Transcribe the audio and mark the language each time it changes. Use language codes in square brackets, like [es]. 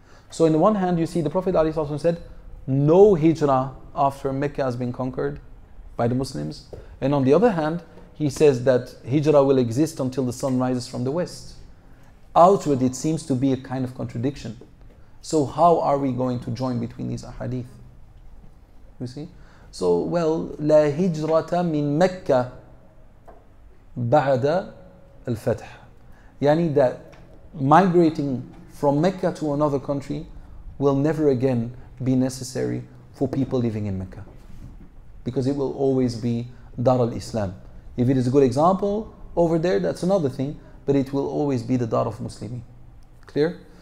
[en] So in one hand, you see the Prophet ﷺ said, no hijrah after Mecca has been conquered by the Muslims. And on the other hand, he says that hijrah will exist until the sun rises from the west. Outward, it seems to be a kind of contradiction. So how are we going to join between these ahadith? You see? So, well, [ar] لا هجرة من مكة بعد الفتح. [en] Yani that migrating from Mecca to another country will never again be necessary for people living in Mecca. Because it will always be Dar al-Islam. If it is a good example over there, that's another thing, but it will always be the Dar of Muslimi. Clear?